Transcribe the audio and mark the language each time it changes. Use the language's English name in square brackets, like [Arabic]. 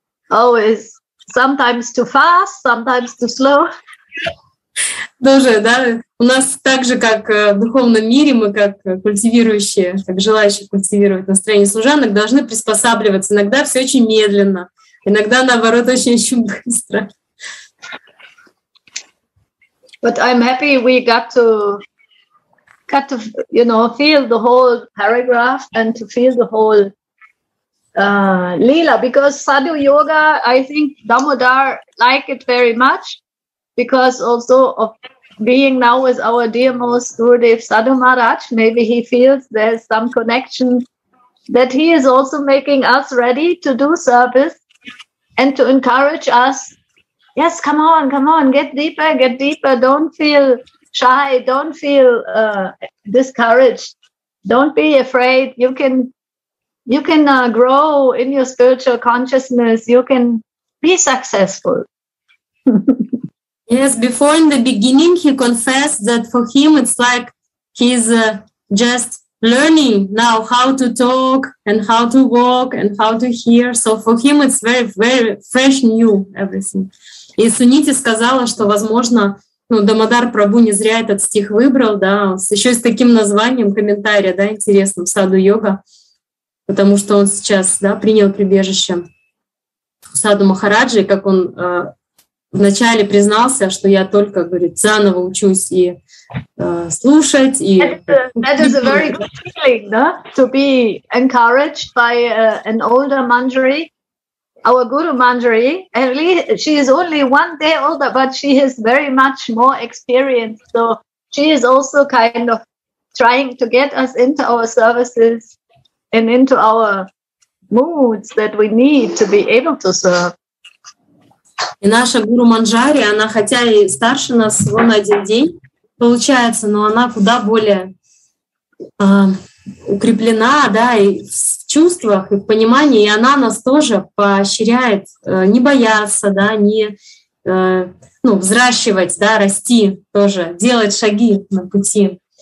[English] Always. Sometimes too fast, sometimes too slow. [Russian] Тоже, да? У нас так же, как в духовном мире, мы как культивирующие, как желающие культивировать настроение служанок, должны приспосабливаться. Иногда все очень медленно, иногда, наоборот, очень-очень быстро. [English] But I'm happy we got to, you know, feel the whole paragraph and to feel the whole Leela, because Sadhu Yoga, I think Damodar like it very much, because also of being now with our dear most Gurudev Sadhu Maharaj, maybe he feels there's some connection that he is also making us ready to do service and to encourage us. Yes, come on, get deeper, don't feel shy, don't feel discouraged, don't be afraid, you can grow in your spiritual consciousness, you can be successful. Yes, before in the beginning he confessed that for him it's like he's just learning now how to talk and how to walk and how to hear, so for him it's very, very fresh, new everything. [Russian] И Суните сказала, что, возможно, ну, Дамодар Прабу не зря этот стих выбрал, да, еще и с таким названием комментария, да, интересным, Саду Йога, потому что он сейчас, да, принял прибежище Саду Махараджи, как он вначале признался, что я только, говорит, заново учусь и слушать. И... [English] That is a very good feeling, [Russian] да, [English] to be encouraged by an older Manjari. Our Guru Manjari, she is only 1 day older, but she is very much more experienced. So she is also kind of trying to get us into our services and into our moods that we need to be able to serve. [Russian] И наша Гуру Манджари, она хотя и старше нас всего на один день, получается, но она куда более укреплена, да, и в чувствах, и в понимании, и она нас тоже поощряет не бояться, да, не ну, взращивать, да, расти тоже, делать шаги на пути.